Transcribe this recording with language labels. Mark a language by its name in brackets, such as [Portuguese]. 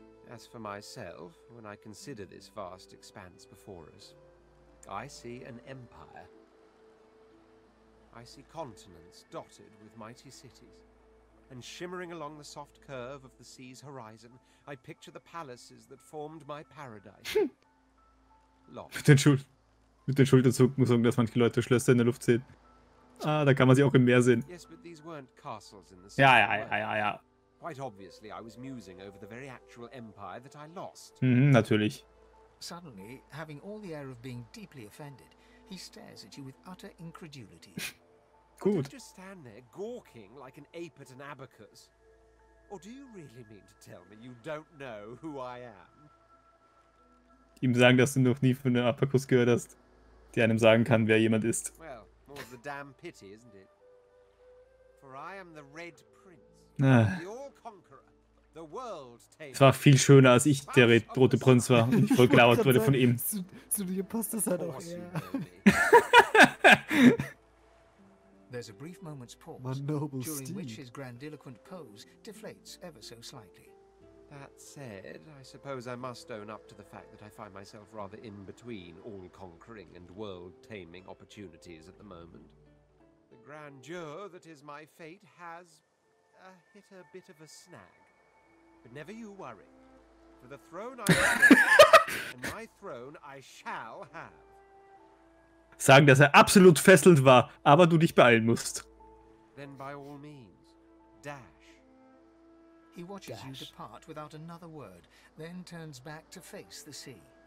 [English] As for myself, when I consider this vast expanse before us, I see an empire. I see continents dotted with mighty cities. And shimmering along the soft curve of the sea's horizon, I picture the palaces that formed my paradise. [German] Mit den Schulterzucken, so, dass manche Leute Schlösser in der Luft sehen. Ah, da kann man sie auch im Meer sehen. [English] Yes, but these weren't castles in the sea. [German] Ja. [English] Quite obviously, I was musing over the very actual empire that I lost. [German] Natürlich. [English] Suddenly, having all the air of being deeply offended, he stares at you with utter incredulity. [German] Gut. [English] Do you just stand there gawking like an ape at an abacus? Or do you really mean to tell me you don't know who I am? [German] Ihm sagen, dass du noch nie von einem Abacus gehört hast, der einem sagen kann, wer jemand ist. [English] Well, more the damn pity, isn't it? For I am the Red Prince, the All-Conqueror, the World-Taker. [German] Es war viel schöner, als ich der Rote Prinz war und ich vollgelabert wurde von ihm. Zu dir passt das halt auch eher. [English] There's a brief moment's pause, during which his grandiloquent pose deflates ever so slightly. That said, I suppose I must own up to the fact that I find myself rather in between all-conquering and world-taming opportunities at the moment. The grandeur that is my fate has hit a bit of a snag. But never you worry. For the throne I have, and my throne I shall have. [German] Sagen, dass absolut fesselnd war, aber du dich beeilen musst. [English] Then by all means, dash. He watches dash. You depart without another word, then turns back to face the sea.